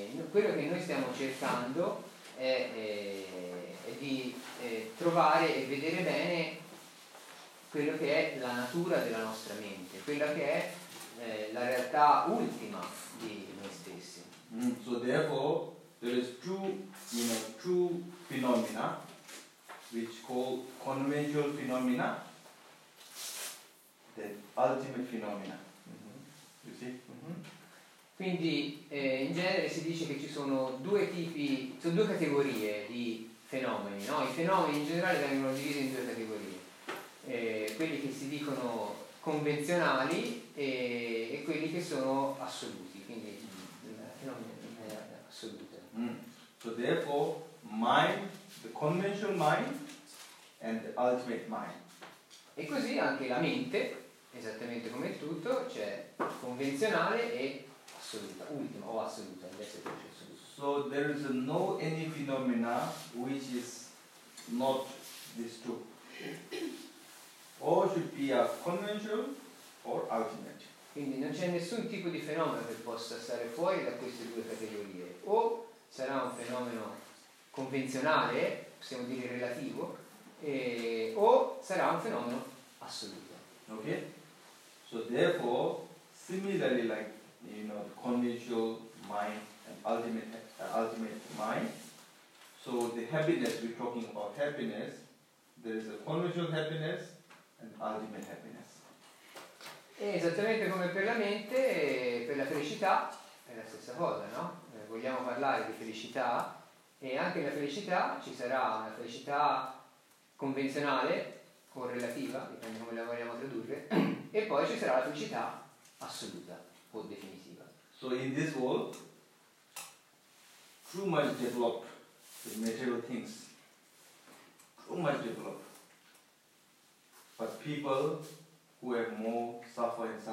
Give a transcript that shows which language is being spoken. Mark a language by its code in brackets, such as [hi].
[it] Quello che noi stiamo cercando è di trovare e vedere bene quello che è la natura della nostra mente, quella che è la realtà ultima di noi stessi. [en] Mm, so therefore there is two phenomena which call conventional phenomena the ultimate phenomena. Mm-hmm. You see? Mm-hmm. [it] Quindi in genere si dice che ci sono due categorie di fenomeni, no? I fenomeni in generale vengono divisi in due categorie, quelli che si dicono convenzionali e quelli che sono assoluti, quindi il fenomeno assoluto. [en] Mm. So therefore mind, the conventional mind and the ultimate mind. [it] E così anche la mente, esattamente come tutto, cioè convenzionale e ultima o assoluta. [en] So there is no any phenomena which is not this two. All should be a conventional or ultimate. [it] Quindi non c'è nessun tipo di fenomeno che possa stare fuori da queste due categorie. O sarà un fenomeno convenzionale, possiamo dire relativo, o sarà un fenomeno assoluto. Ok? [en] So therefore, similarly like, you know, the conventional mind and ultimate mind. So the happiness, we're talking about happiness, there is a conventional happiness and ultimate happiness. [it] E esattamente come per la mente, per la felicità è la stessa cosa, no? Vogliamo parlare di felicità, e anche la felicità ci sarà una felicità convenzionale o relativa, dipende come la vogliamo tradurre, e poi ci sarà la felicità assoluta o definitiva. [en] So in this world, too much developed the material things, too much developed. But people who have more suffer.